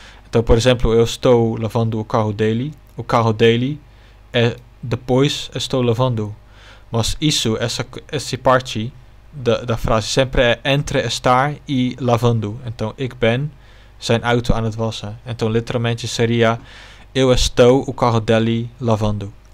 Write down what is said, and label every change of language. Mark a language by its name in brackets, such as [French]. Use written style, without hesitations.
[Portuguese] Então, por exemplo, eu estou lavando o carro dele. O carro dele é depois estou lavando. Mas isso, essa parte da frase, sempre é entre estar e lavando. [Dutch] Então, ik ben zijn auto aan het wassen. [Portuguese] Então, literalmente seria eu estou o carro dele lavando.